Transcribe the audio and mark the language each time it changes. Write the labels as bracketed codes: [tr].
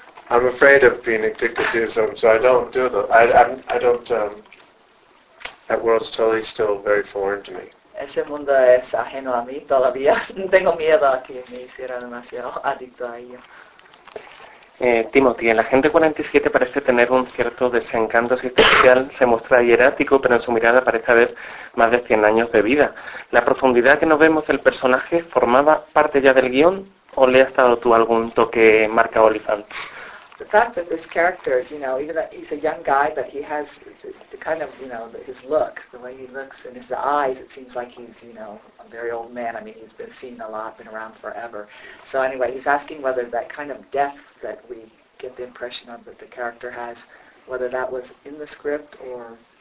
[en] I'm afraid of being addicted to some, so I don't do the I don't that world's totally still very foreign to me. [es] Ese mundo es ajeno a mí todavía. Tengo miedo a que me hiciera demasiado adicto a ello. Timothy, el agente 47 parece tener un cierto desencanto asistencial, se muestra hierático, pero en su mirada parece haber más de 100 años de vida. ¿La profundidad que nos vemos del personaje formaba parte ya del guión o le has dado tú algún toque marca Olifant? [en] The fact that this character, even though he's a young guy, but he has the kind of, his look, the way he looks in his eyes, it seems like he's, a very old man. I mean, he's been seen a lot, been around forever. So anyway, he's asking whether that kind of depth that we get the impression of that the character has, whether that was in the script or